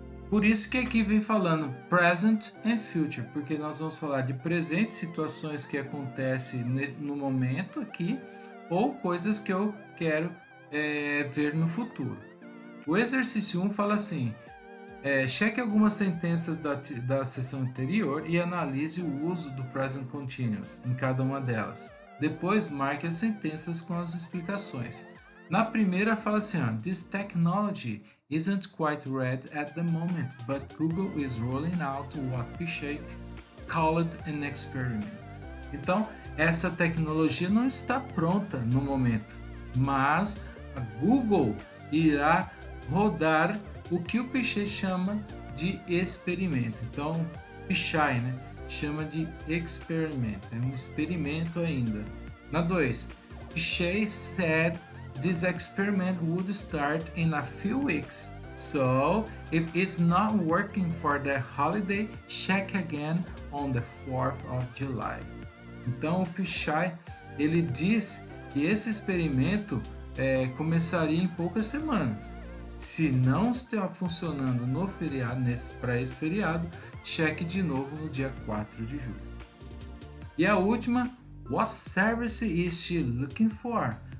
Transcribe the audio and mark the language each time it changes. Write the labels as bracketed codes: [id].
[pt] Por isso que aqui vem falando [en] present and future, [pt] porque nós vamos falar de presente, situações que acontecem no momento aqui, ou coisas que eu quero ver no futuro. O exercício 1 fala assim, cheque algumas sentenças da sessão anterior e analise o uso do present continuous em cada uma delas. Depois, marque as sentenças com as explicações. Na primeira, fala assim, [en] this technology isn't quite ready at the moment, but Google is rolling out what we shake, call it an experiment. [pt] Então, essa tecnologia não está pronta no momento, mas a Google irá rodar o que o Pichet chama de experimento. Então, Pichai, né? Chama de experimento, é um experimento ainda. Na 2, [en] Pichet said this experiment would start in a few weeks, so if it's not working for the holiday, check again on the 4th of July. [pt] Então o Pichet, ele diz que esse experimento começaria em poucas semanas. Se não está funcionando no feriado, para esse feriado, cheque de novo no dia 4 de julho. E a última, [en] what service is she looking for?